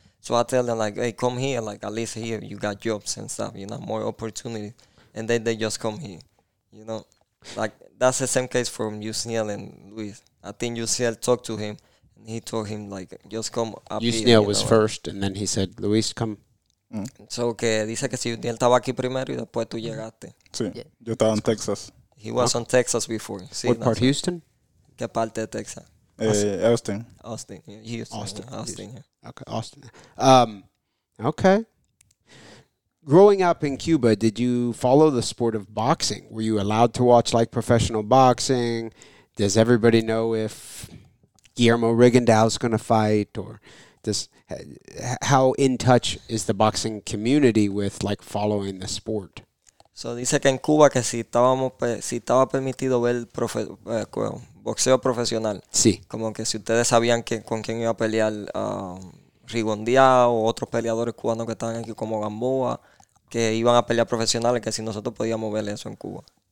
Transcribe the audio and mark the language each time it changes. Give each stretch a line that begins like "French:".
English: So I tell them, like, hey, come here. Like, at least here you got jobs and stuff, you know, more opportunities. And then they just come here, you know. Like, that's the same case from Yusniel and Luis. I think Yusniel talked to him, and he told him, like, just come up here. Yusniel was first, and then he said, Luis, come. Mm.
Spanish: So, que dice que si Yusniel estaba aquí primero y después tú llegaste. Sí, yeah. Yo estaba en Texas.
English: He was on Texas before. Sí, what part, Houston?
Spanish: ¿Qué parte de Texas? Austin.
English: Austin. Houston. Austin. Yeah. Austin. Yeah. Okay, Austin. Okay. Growing up in Cuba, did you follow the sport of boxing? Were you allowed to watch, like, professional boxing? Does everybody know if Guillermo Rigondeaux is going to fight? Or does, how in touch is the boxing community with, like, following the sport?
Spanish: So, dice que en Cuba, que si estábamos, si estaba permitido ver boxeo profesional. Sí. Como que si ustedes sabían que, con quién iba a pelear Rigondeaux o otros peleadores cubanos que estaban aquí, como Gamboa, que iban a pelear profesionales, que si nosotros podíamos ver eso en Cuba.